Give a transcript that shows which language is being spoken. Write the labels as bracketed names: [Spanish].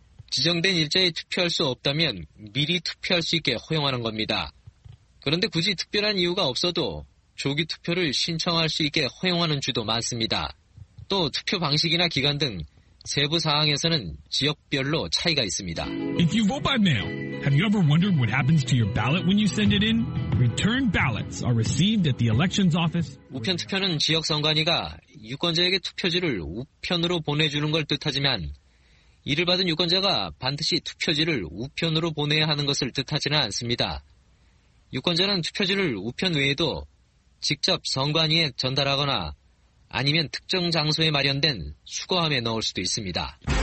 [Korean] 지정된 일자에 투표할 수 없다면 미리 투표할 수 있게 허용하는 겁니다. 그런데 굳이 특별한 이유가 없어도 조기 투표를 신청할 수 있게 허용하는 주도 많습니다. 또 투표 방식이나 기간 등 세부 사항에서는 지역별로 차이가 있습니다. [English] If you vote by mail, have you ever wondered what happens to your ballot when you send it in? Return ballots are received at the elections office. [Korean] 우편 투표는 지역 선관위가 유권자에게 투표지를 우편으로 보내주는 걸 뜻하지만 이를 받은 유권자가 반드시 투표지를 우편으로 보내야 하는 것을 뜻하지는 않습니다. 유권자는 투표지를 우편 외에도 직접 선관위에 전달하거나 아니면 특정 장소에 마련된 수거함에 넣을 수도 있습니다.